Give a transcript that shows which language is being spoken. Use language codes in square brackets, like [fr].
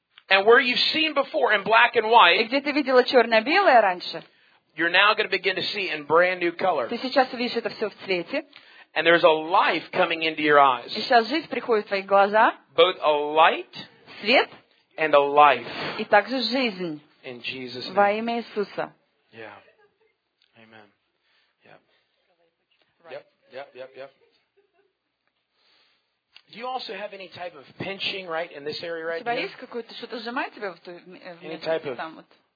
[en] And where you've seen before in black and white, [ru] где ты видела черно-белое раньше, [en] you're now going to begin to see in brand new color. [ru] Ты сейчас увидишь это все в цвете. [en] And there's a life coming into your eyes. [ru] И сейчас жизнь приходит в твои глаза. [en] Both a light, [ru] свет, [en] and a life. [ru] И также жизнь. [en] In Jesus' name. [ru] Во имя Иисуса. [en] Yeah. Amen. Yep. Yep. Yep. Yep. Yep. Do you also have any type of pinching right in this area right here? [ru] У тебя есть какое-то что-то сжимает тебя в этом месте там вот?